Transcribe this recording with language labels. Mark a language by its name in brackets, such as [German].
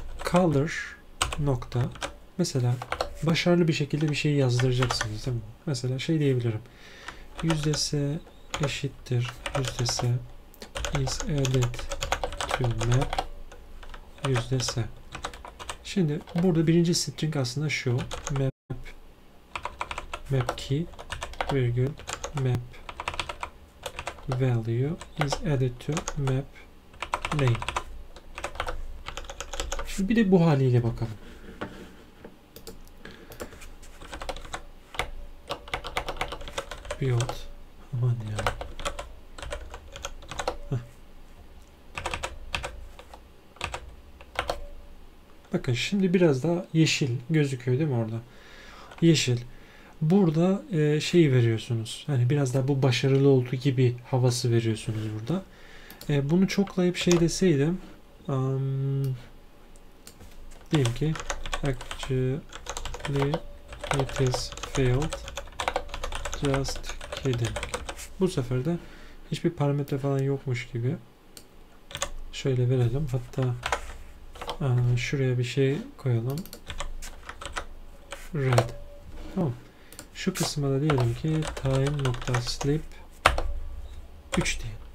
[Turkish] Color nokta. Mesela başarılı bir şekilde bir şey yazdıracaksınız, değil mi? Mesela şey diyebilirim. Yüzdesi eşittir. Yüzdesi [English] is added to map. [Turkish] Yüzdesi. Şimdi burada birinci string aslında şu. Map. [English] Map key [Turkish] virgül [English] map value is added to map name. [Turkish] Şimdi bir de bu haliyle bakalım. Build. Aman ya. Bakın şimdi biraz daha yeşil gözüküyor değil mi orada? Yeşil. Burada şeyi veriyorsunuz. Hani biraz daha bu başarılı oldu gibi havası veriyorsunuz burada. Bunu çoklayıp şey deseydim. Diyeyim ki [English] actually it has failed. Just kidding. [Turkish] Bu sefer de hiçbir parametre falan yokmuş gibi. Şöyle verelim. Hatta şuraya bir şey koyalım. Red. Tamam. Şu kısma da diyelim ki time nokta sleep 3 diye.